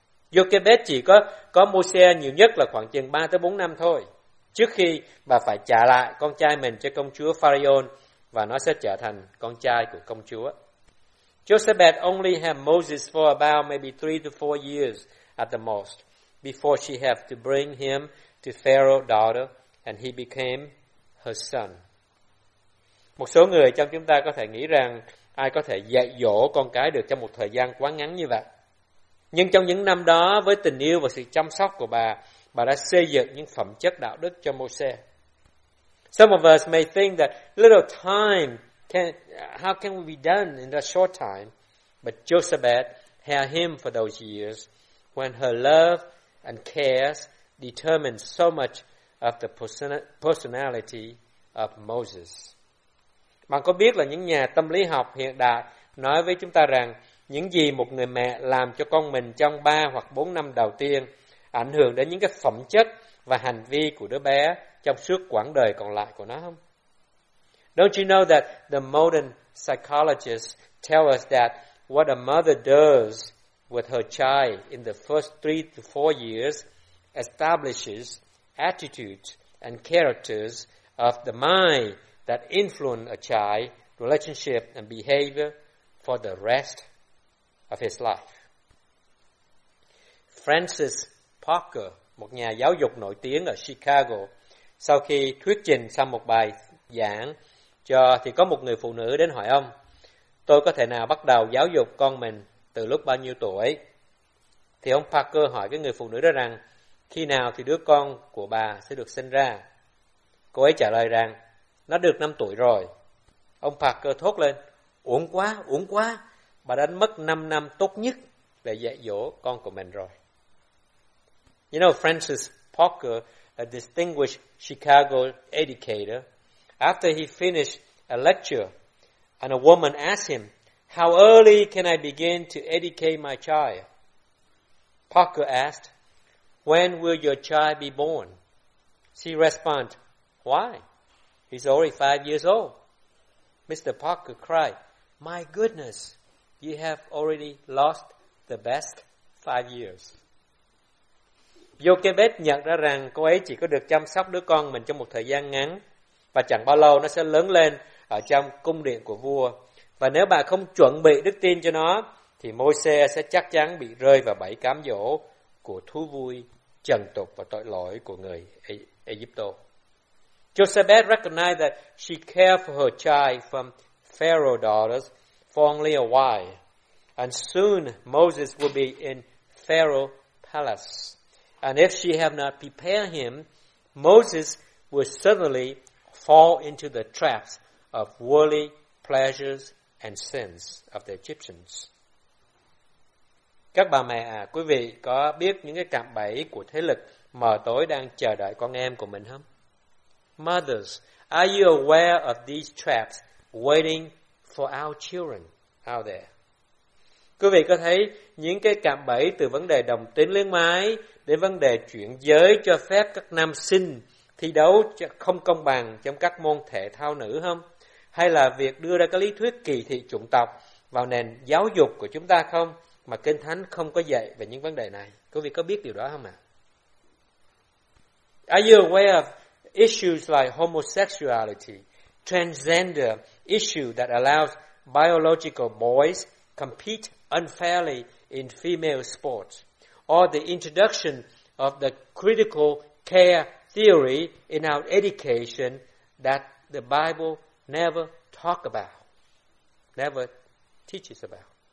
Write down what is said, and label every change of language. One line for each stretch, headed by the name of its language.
Vietnamese: Jochebed chỉ có Moses nhiều nhất là khoảng chừng 3 tới 4 năm thôi, trước khi bà phải trả lại con trai mình cho công chúa Pharaoh và nó sẽ trở thành con trai của công chúa.
English: Jochebed only had Moses for about maybe 3 to 4 years at the most before she had to bring him to Pharaoh's daughter and he became her son.
Vietnamese: Một số người trong chúng ta có thể nghĩ rằng ai có thể dạy dỗ con cái được trong một thời gian quá ngắn như vậy. Nhưng trong những năm đó, với tình yêu và sự chăm sóc của bà đã xây dựng những phẩm chất đạo đức cho Moses.
English: Some of us may think that little time, how can we be done in that short time? But Jochebed had him for those years when her love and cares determined so much of the personality of Moses.
Vietnamese: Bạn có biết là những nhà tâm lý học hiện đại nói với chúng ta rằng những gì một người mẹ làm cho con mình trong 3 hoặc 4 năm đầu tiên ảnh hưởng đến những cái phẩm chất và hành vi của đứa bé trong suốt quãng đời còn lại của nó không?
English: Don't you know that the modern psychologists tell us that what a mother does with her child in the first 3 to 4 years establishes attitudes and characters of the mind that influence a child's relationship and behavior for the rest of his life.
Vietnamese: Francis Parker, một nhà giáo dục nổi tiếng ở Chicago, sau khi thuyết trình xong một bài giảng cho thì có một người phụ nữ đến hỏi ông, tôi có thể nào bắt đầu giáo dục con mình từ lúc bao nhiêu tuổi? Thì ông Parker hỏi cái người phụ nữ đó rằng, khi nào thì đứa con của bà sẽ được sinh ra? Cô ấy trả lời rằng, nó được 5 tuổi rồi. Ông Parker thốt lên, uổng quá, bà đã mất 5 năm tốt nhất để dạy dỗ con của mình rồi.
English: You know, Francis Parker, a distinguished Chicago educator, after he finished a lecture, and a woman asked him, how early can I begin to educate my child? Parker asked, when will your child be born? She responded, why? He's already 5 years old. Mr. Parker cried, my goodness, you have already lost the best 5 years.
Vietnamese: Jochebed nhận ra rằng cô ấy chỉ có được chăm sóc đứa con mình trong một thời gian ngắn và chẳng bao lâu nó sẽ lớn lên ở trong cung điện của vua. Và nếu bà không chuẩn bị đức tin cho nó, thì thì Môi-se sẽ chắc chắn bị rơi vào bẫy cám dỗ của thú vui, trần tục và tội lỗi của người Egypto.
English: Josephette recognized that she cared for her child from Pharaoh's daughters for only a while, and soon Moses would be in Pharaoh's palace. And if she had not prepared him, Moses would suddenly fall into the traps of worldly pleasures and sins of the Egyptians.
Vietnamese: Các bà mẹ à, quý vị có biết những cái cạm bẫy của thế lực mờ tối đang chờ đợi con em của mình không?
English: Mothers, are you aware of these traps waiting for our children out there?
Vietnamese: Quý vị có thấy những cái cạm bẫy từ vấn đề đồng tính luyến ái đến vấn đề chuyển giới cho phép các nam sinh thi đấu không công bằng trong các môn thể thao nữ không? Hay là việc đưa ra cái lý thuyết kỳ thị chủng tộc vào nền giáo dục của chúng ta không? Mà Kinh Thánh không có dạy về những vấn đề này. Quý vị có biết điều đó không ạ?
English: Are you aware of issues like homosexuality, transgender issue that allows biological boys compete unfairly in female sports, or the introduction of the critical care theory in our education that the Bible never talk about, never teaches about?